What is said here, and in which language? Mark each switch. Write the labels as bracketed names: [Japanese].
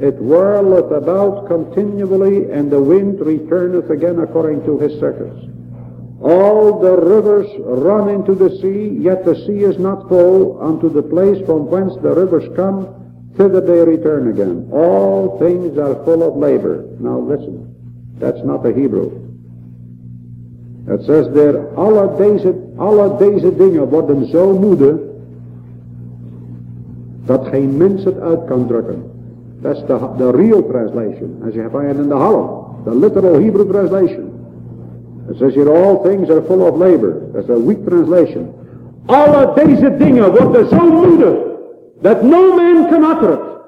[English] It whirleth about continually, and the wind returneth again according to his circuits. All the rivers run into the sea, yet the sea is not full. Unto the place from whence the rivers come, thither they return again. All things are full of labor. Now listen, that's not the Hebrew. It says there, [Dutch] alle deze dingen worden zo moede, dat geen mens het uit kan drukken. [English] That's the real translation, as you find in the Holland, the literal Hebrew translation. It says here, all things are full of labor. That's a weak translation. [Dutch] Alle deze dingen worden zo moede, [English] that no man can utter it.